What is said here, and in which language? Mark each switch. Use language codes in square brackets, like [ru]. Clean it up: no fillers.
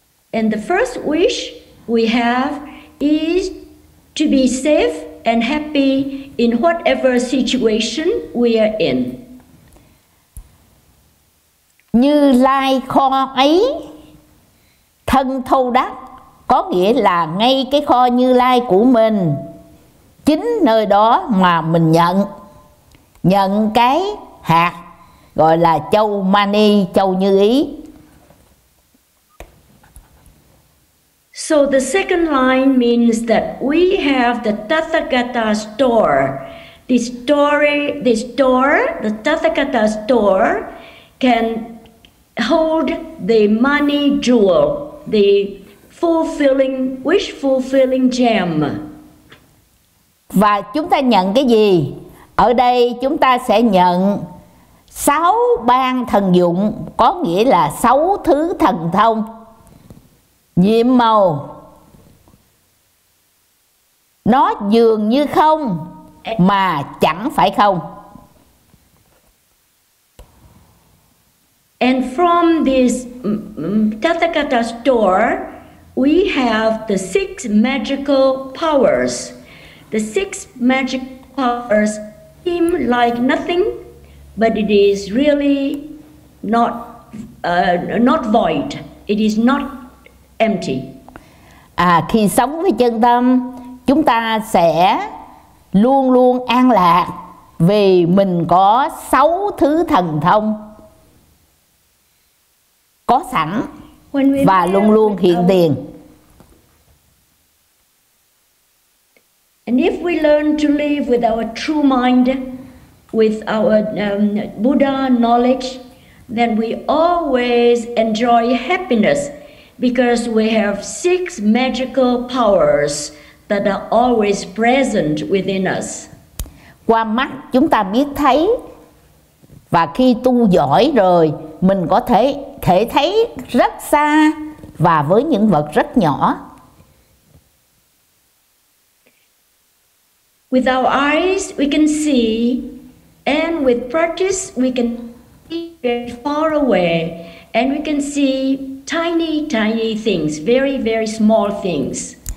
[en] And the first wish we have is to be safe and happy in whatever situation we are in. [vi] Như Lai kho ấy thân thâu đắc, có nghĩa là ngay cái kho Như Lai của mình, chính nơi đó mà mình nhận cái hạt gọi là châu mani, châu như ý. [en] So the second line means that we have the Tathagata store. The Tathagata store can hold the money jewel, the fulfilling, wish fulfilling gem. [vi] Và chúng ta nhận cái gì? Ở đây chúng ta sẽ nhận Sáu ban thần dụng có nghĩa là sáu thứ thần thông. Nhiệm màu, nó dường như không mà chẳng phải không. [en] And from this Tathagata store, we have the six magical powers. The six magic powers seem like nothing, but it is really not not void. It is not empty. [vi] À, khi sống với chân tâm, chúng ta sẽ luôn luôn an lạc vì mình có sáu thứ thần thông có sẵn và luôn luôn hiện tiền. [en] And if we learn to live with our true mind, with our Buddha knowledge, then we always enjoy happiness because we have six magical powers that are always present within us. [vi] Qua mắt chúng ta biết thấy, và khi tu giỏi rồi mình có thể thấy rất xa và với những vật rất nhỏ. [en] With our eyes we can see, and with practice we can see very far away, and we can see tiny tiny things, very very small things.